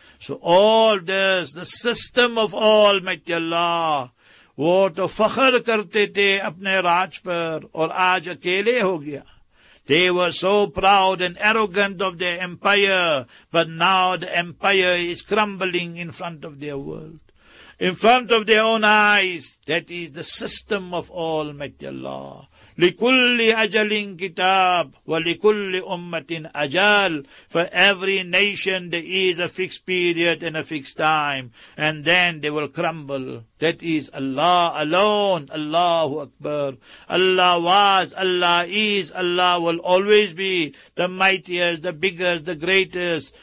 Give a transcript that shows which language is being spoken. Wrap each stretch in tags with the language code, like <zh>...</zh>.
<en>So all this, the system of Almighty Allah,</en> <hi>wo to fakhr karte the apne raj par, aur aaj akele ho gaya.</hi> <en>They were so proud and arrogant of their empire, but now the empire is crumbling in front of their world, in front of their own eyes. That is the system of Almighty Allah.</en> <ar>لِكُلِّ أَجَلٍ كِتَابٍ وَلِكُلِّ أُمَّةٍ أَجَالٍ.</ar> <en>For every nation there is a fixed period and a fixed time, and then they will crumble. That is Allah alone, Allahu Akbar. Allah was, Allah is, Allah will always be the mightiest, the biggest, the greatest.</en>